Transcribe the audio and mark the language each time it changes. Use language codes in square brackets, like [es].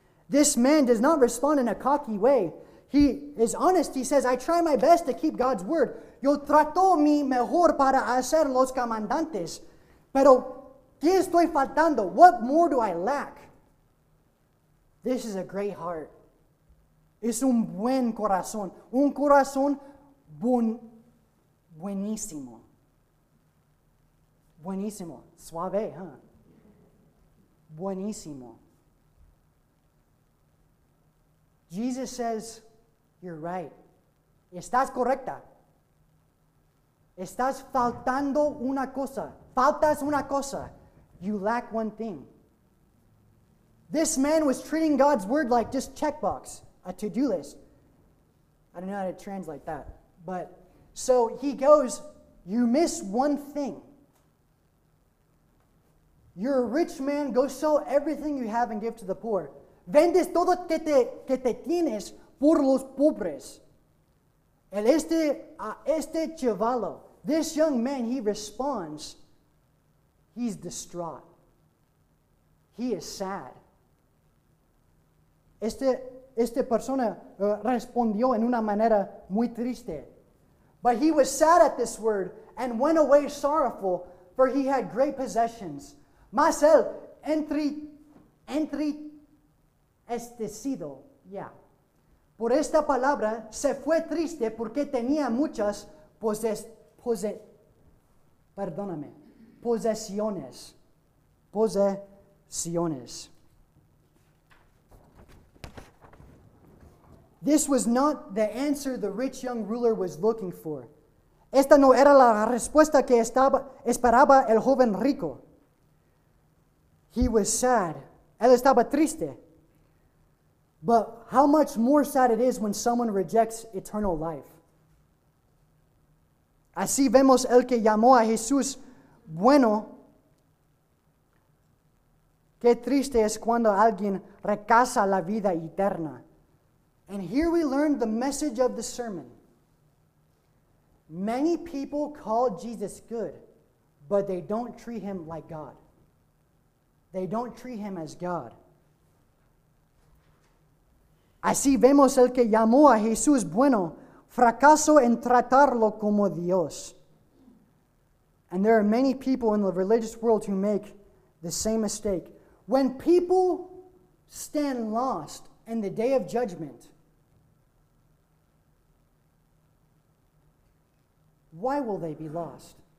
[en] This man does not respond in a cocky way. He is honest. He says, I try my best to keep God's word. [es] Yo trato mi mejor para hacer los comandantes. Pero, ¿qué estoy faltando? [en] What more do I lack? This is a great heart. [es] Es un buen corazón. Un corazón buenísimo. Buenísimo. Suave, huh? Buenísimo. [en] Jesus says, you're right. [es] Estás correcta. Estás faltando una cosa. Faltas una cosa. [en] You lack one thing. This man was treating God's word like just checkbox, a to-do list. I don't know how to translate that. But so he goes, you miss one thing. You're a rich man. Go sell everything you have and give to the poor. [es] Vendes todo que te tienes por los pobres. El este chavalo, [en] this young man, he responds. He's distraught. He is sad. [es] Este persona respondió en una manera muy triste. [en] But he was sad at this word and went away sorrowful, for he had great possessions. [es] Mas él entristecido. Yeah. Por esta palabra se fue triste porque tenía muchas posesiones. [en] This was not the answer the rich young ruler was looking for. [es] Esta no era la respuesta que esperaba el joven rico. [en] He was sad. [es] Él estaba triste. [en] But how much more sad it is when someone rejects eternal life. [es] Así vemos el que llamó a Jesús bueno. Qué triste es cuando alguien rechaza la vida eterna. [en] And here we learn the message of the sermon. Many people call Jesus good, but they don't treat him like God. They don't treat him as God. [es] Así vemos el que llamó a Jesús bueno, fracaso en tratarlo como Dios. [en] And there are many people in the religious world who make the same mistake. When people stand lost in the day of judgment, why will they be lost?